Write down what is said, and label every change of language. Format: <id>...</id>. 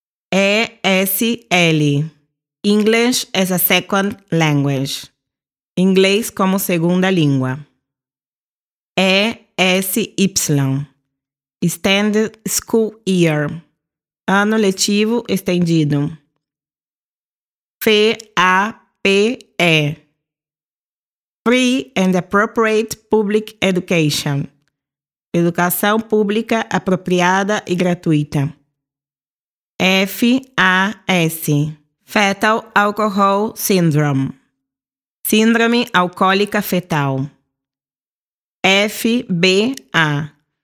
<en>ESL, English as a Second Language,</en> <pt>Inglês como Segunda Língua.</pt> <en>ESY, Extended School Year,</en> <pt>Ano letivo estendido. FAPE.</pt> <en>Free and Appropriate Public Education.</en> <pt>Educação pública apropriada e gratuita.</pt> <en>FAS. Fetal Alcohol Syndrome.</en> <pt>Síndrome alcoólica fetal. FBA.</pt>